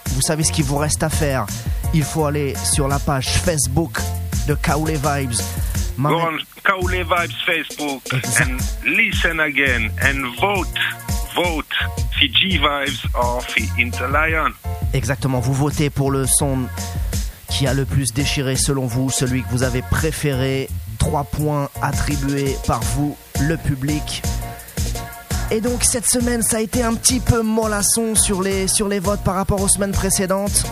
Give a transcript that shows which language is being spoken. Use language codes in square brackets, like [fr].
[fr] Vous savez ce qu'il vous reste à faire. Il faut aller sur la page Facebook de Kaoulé Vibes. [en] Go on Kaoulé Vibes Facebook and listen again and vote for G Vibes or for Interlion. [fr] Exactement, vous votez pour le son qui a le plus déchiré selon vous, celui que vous avez préféré. 3 points attribués par vous, le public. Et donc cette semaine, ça a été un petit peu mollasson sur les votes par rapport aux semaines précédentes.